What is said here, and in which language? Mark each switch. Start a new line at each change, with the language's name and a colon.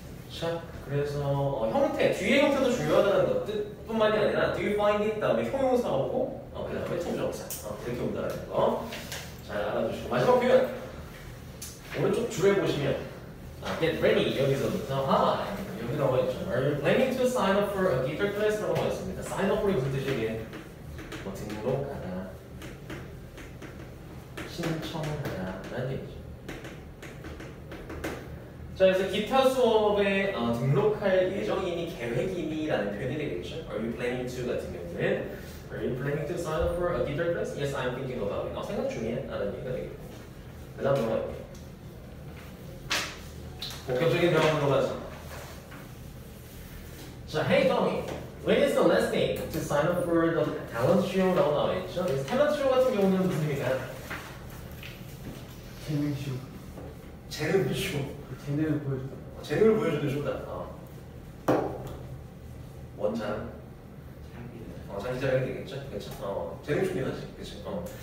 Korean: 자, 그래서 형태, 뒤에 형태도 중요하다는 것 뿐만이 아니라
English: Do you find it?
Korean: 다음에 형용사하고 그 다음에 청정사 이렇게 온다는 거 잘 알아두시고 마지막 표현 오른쪽 줄에 보시면 get ready 여기서부터 하이 여기 나와 있죠.
English: Are you planning to sign up for a guitar class?
Korean: 라고 나와 있습니다. Sign up이 무슨 뜻이게? 뭐 등록하다 신청하다 라는 얘기죠. 자, 그래서 기타 수업에 등록할 예정이니 계획이니 라는 표현이 되겠죠.
English: Are you planning to
Korean: 같은 경우는
English: Are you planning to sign up for a guitar class? Yes, I'm thinking about it.
Korean: 생각 중이야 라는 얘기가 되겠고 그 다음 뭐가 있냐 본격적인 대화부터 가죠.
English: 자, Hey Tommy, when is the last day to sign up for the talent show?
Korean: 라고 나와 있죠. 탤런트 쇼 같은 경우는 무슨 의미가? 재능 쇼. 재능 쇼. 재능을 보여준다. 재능을 보여주는 쇼다. 원장. 장기자랑이 되겠죠. 그쵸? 재능 중요하지. 그쵸?